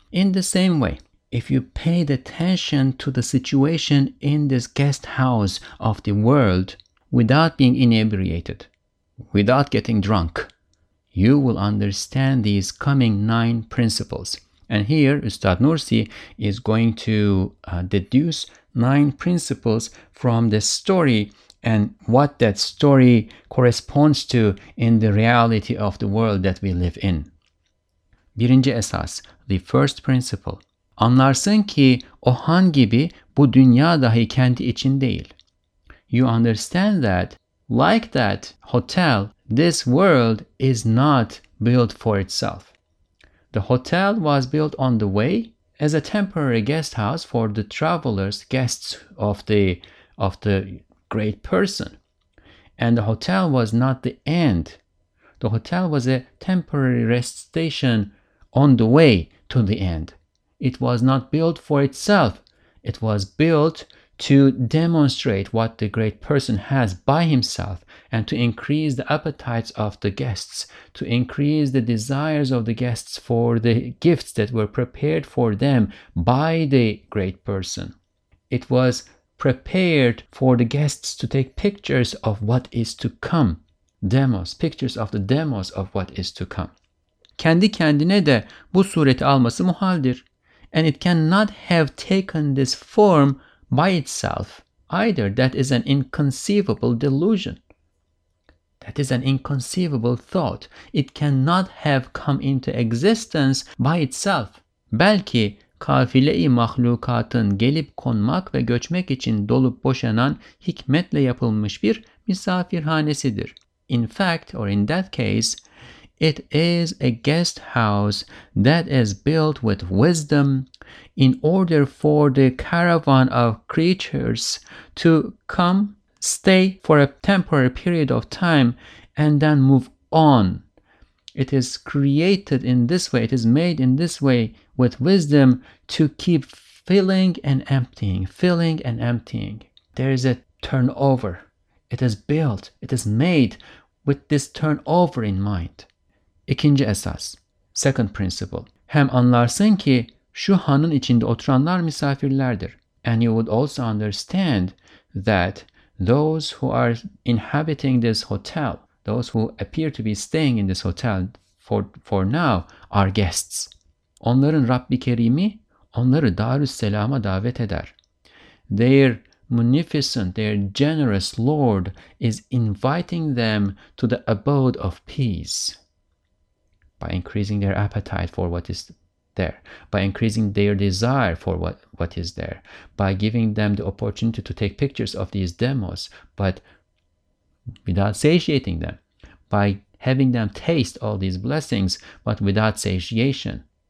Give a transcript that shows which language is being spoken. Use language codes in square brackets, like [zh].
[en] In the same way, if you paid attention to the situation in this guest house of the world without being inebriated, without getting drunk, you will understand these coming 9 principles. And here, Üstad Nursi is going to deduce 9 principles from the story and what that story corresponds to in the reality of the world that we live in. [tr] Birinci esas, [en] the first principle. [tr] Anlarsın ki o han gibi bu dünya dahi kendi için değil. [en] You understand that, like that hotel, this world is not built for itself. The hotel was built on the way as a temporary guest house for the travelers, guests of the great person. And the hotel was not the end. The hotel was a temporary rest station on the way to the end. It was not built for itself. It was built to demonstrate what the great person has by himself and to increase the appetites of the guests, to increase the desires of the guests for the gifts that were prepared for them by the great person. It was prepared for the guests to take pictures of what is to come. Demos, pictures of the demos of what is to come. [tr] Kendi kendine de bu sureti alması muhaldir. [en] And it cannot have taken this form by itself either. That is an inconceivable delusion. That is an inconceivable thought. It cannot have come into existence by itself. [tr] Belki kafile-i mahlukatın gelip konmak ve göçmek için dolup boşanan hikmetle yapılmış bir misafirhanesidir. [en] In fact, or in that case, it is a guest house that is built with wisdom in order for the caravan of creatures to come, stay for a temporary period of time, and then move on. It is created in this way, it is made in this way with wisdom to keep filling and emptying. There is a turnover. It is built, it is made with this turnover in mind. [tr] İkinci esas, [en] second principle. [tr] Hem anlarsın ki şu hanın içinde oturanlar misafirlerdir. [en] And you would also understand that those who are inhabiting this hotel, those who appear to be staying in this hotel for now are guests. [tr] Onların Rabbi Kerimi onları Darüsselam'a davet eder. [en] Their munificent, their generous Lord is inviting them to the abode of peace by increasing their appetite for what is there, by increasing their desire for what is there, by giving them the opportunity to take pictures of these demos, but without satiating them, by having them taste all these blessings, but without satiation.